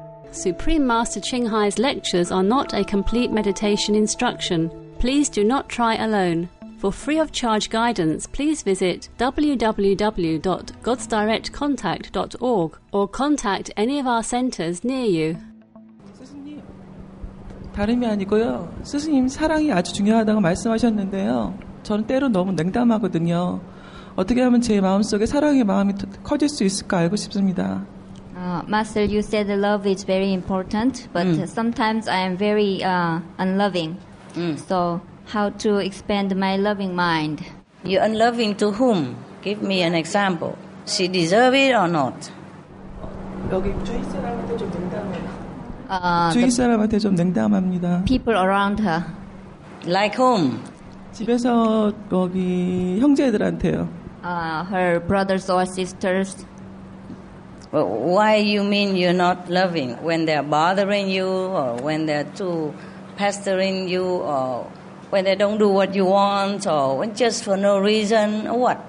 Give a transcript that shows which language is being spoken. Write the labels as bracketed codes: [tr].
[en] Supreme Master Ching Hai's lectures are not a complete meditation instruction. Please do not try alone. For free of charge guidance, please visit www.godsdirectcontact.org or contact any of our centers near you. [ko] 다름이 아니고요. 스승님 사랑이 아주 중요하다고 말씀하셨는데요. 저는 때로 너무 냉담하거든요. 어떻게 하면 제 마음속에 사랑의 마음이 커질 수 있을까 알고 싶습니다. [en] Master, you said love is very important, but sometimes I am very unloving. So how to expand my loving mind? You're unloving to whom? Give me an example. She deserves it or not? [ko] 여기 주인 사람한테 좀 냉담해요. 주위 사람한테 좀 냉담합니다. [en] People around her. Like whom? [ko] 집에서 거기 형제들한테요. [en] Her brothers or sisters. Well, why you mean you're not loving? When they're bothering you, or when they're too pestering you, or when they don't do what you want, or when just for no reason, or what?